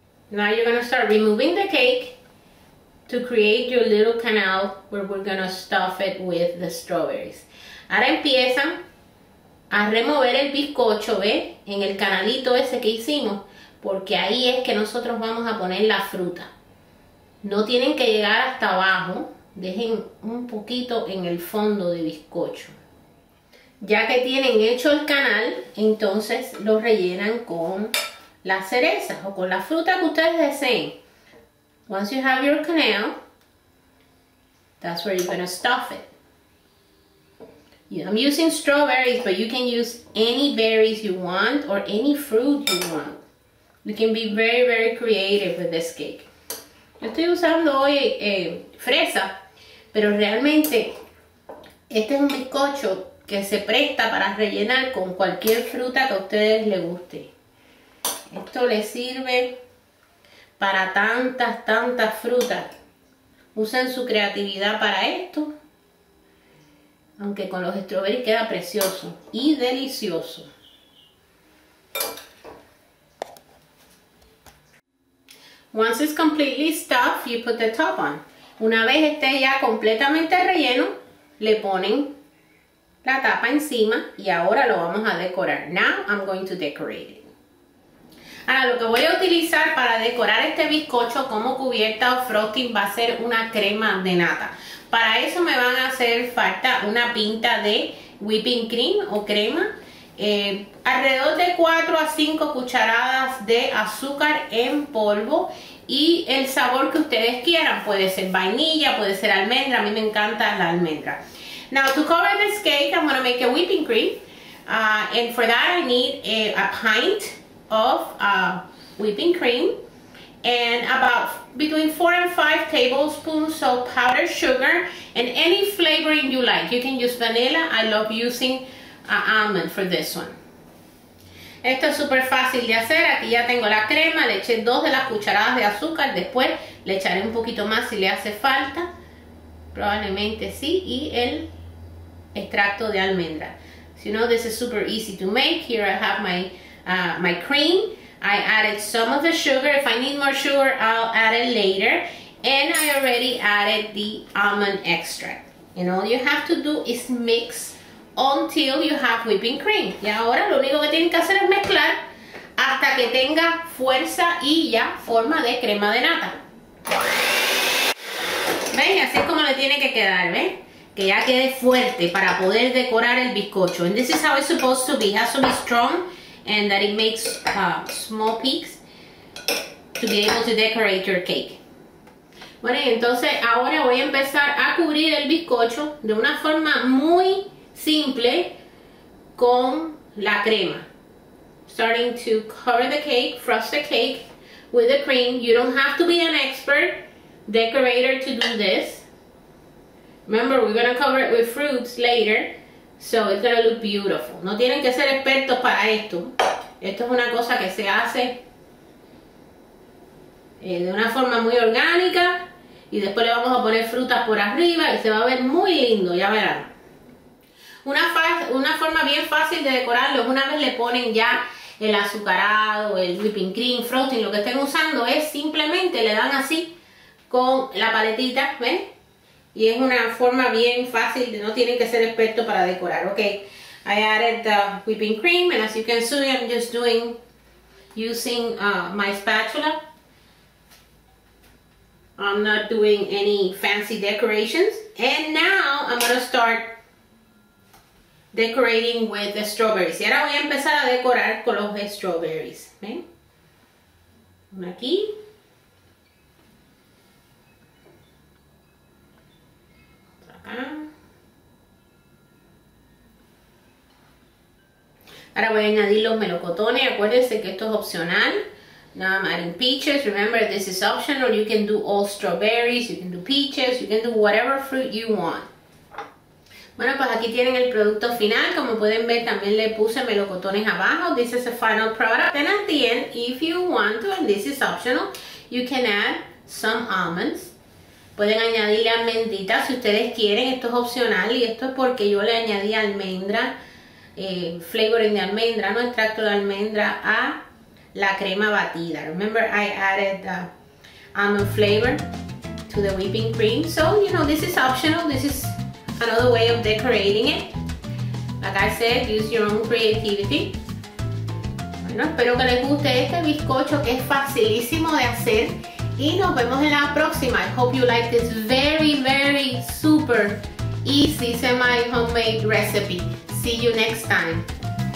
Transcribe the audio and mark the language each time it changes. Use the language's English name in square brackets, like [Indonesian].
[English] Now you're going to start removing the cake to create your little canal where we're gonna stuff it with the strawberries. [Spanish] Ahora empiezan a remover el bizcocho, ¿ves? En el canalito ese que hicimos, porque ahí es que nosotros vamos a poner la fruta. No tienen que llegar hasta abajo, dejen un poquito en el fondo de bizcocho. Ya que tienen hecho el canal, entonces lo rellenan con las cerezas o con la fruta que ustedes deseen. [English] Once you have your canal, that's where you're going to stuff it. I'm using strawberries, but you can use any berries you want or any fruit you want. You can be very, very creative with this cake. [Spanish] Yo estoy usando hoy fresa, pero realmente este es un bizcocho que se presta para rellenar con cualquier fruta que a ustedes les guste. Esto les sirve para tantas, tantas frutas. Usen su creatividad para esto. Aunque con los strawberries queda precioso y delicioso. [English] Once it's completely stuffed, you put the top on. [Spanish] Una vez esté ya completamente relleno, le ponen la tapa encima y ahora lo vamos a decorar. [English] Now I'm going to decorate it. [Spanish] Ahora lo que voy a utilizar para decorar este bizcocho como cubierta o frosting va a ser una crema de nata. Para eso me van a hacer falta una pinta de whipping cream o crema. Alrededor de 4 a 5 cucharadas de azúcar en polvo y el sabor que ustedes quieran. Puede ser vainilla, puede ser almendra. A mí me encanta la almendra. [English] Now, to cover this cake, I'm going to make a whipping cream. And for that, I need a pint of whipping cream. And about between 4 and 5 tablespoons of powdered sugar and any flavoring you like. You can use vanilla. I love using almond for this one. [Spanish] Esto es súper fácil de hacer. Aquí ya tengo la crema. Le eché 2 de las cucharadas de azúcar. Después le echaré un poquito más si le hace falta. Probablemente sí. Y el extracto de almendra. [English] So you know, this is super easy to make. Here I have my, my cream. I added some of the sugar. If I need more sugar, I'll add it later. And I already added the almond extract. And all you have to do is mix until you have whipping cream. [Spanish] Y ahora lo único que tienen que hacer es mezclar hasta que tenga fuerza y ya forma de crema de nata. ¿Ven? Así es como le tiene que quedar, ¿ven? Que ya quede fuerte para poder decorar el bizcocho. [English] And this is how it's supposed to be. It has to be strong. And that it makes small peaks to be able to decorate your cake. [Spanish] Bueno, y entonces ahora voy a empezar a cubrir el bizcocho de una forma muy simple con la crema. [English] Starting to cover the cake, frost the cake with the cream. You don't have to be an expert decorator to do this. Remember, we're gonna cover it with fruits later. So it's gonna look beautiful. [Spanish] No tienen que ser expertos para esto. Esto es una cosa que se hace de una forma muy orgánica. Y después le vamos a poner frutas por arriba y se va a ver muy lindo, ya verán. Una forma bien fácil de decorarlo es una vez le ponen ya el azucarado, el whipping cream, frosting, lo que estén usando, es simplemente le dan así con la paletita, ¿ven? Y es una forma bien fácil, no tienen que ser expertos para decorar, ok. [English] I added the whipping cream, and as you can see, I'm just doing, using my spatula. I'm not doing any fancy decorations. And now, I'm going to start decorating with the strawberries. [Spanish] Y ahora voy a empezar a decorar con los strawberries, ¿ven? Una aquí. Ahora voy a añadir los melocotones. Acuérdense que esto es opcional. [English] Now I'm adding peaches. Remember, this is optional. You can do all strawberries. You can do peaches. You can do whatever fruit you want. [Spanish] Bueno, pues aquí tienen el producto final. Como pueden ver, también le puse melocotones abajo. [English] This is the final product. And at the end, if you want to, and this is optional, you can add some almonds. [Spanish] Pueden añadirle almendritas si ustedes quieren. Esto es opcional y esto es porque yo le añadí almendra, flavoring de almendra, no extracto de almendra, a la crema batida. [English] Remember, I added almond flavor to the whipping cream. So, you know, this is optional. This is another way of decorating it. Like I said, use your own creativity. [Spanish] Bueno, espero que les guste este bizcocho que es facilísimo de hacer. Y nos vemos en la próxima. [English] I hope you like this very, very, super easy semi-homemade recipe. See you next time.